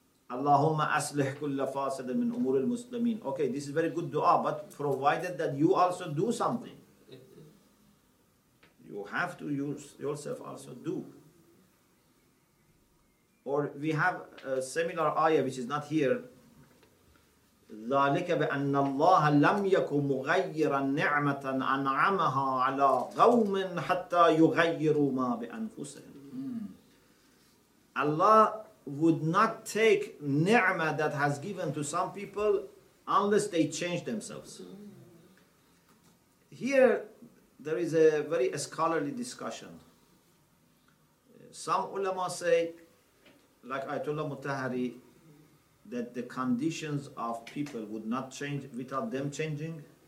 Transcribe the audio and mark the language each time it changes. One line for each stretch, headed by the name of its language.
Arabic: Allahumma aslih kulla fasada min umur al-muslimin.
English: Okay, this is very good dua, but provided that you also do something. You have to use yourself also do. Or we have a similar ayah which is not here.
Arabic: ذلك بأن الله لم يكن مغيرا نعمة أنعمها على قوم حتى يغيروا ما بأنفسهم.
English: Allah would not take ni'mah that has given to some people unless they change themselves. Here, there is a very scholarly discussion. Some ulama say, like Ayatollah Mutahhari, that the conditions of people would not change without them changing.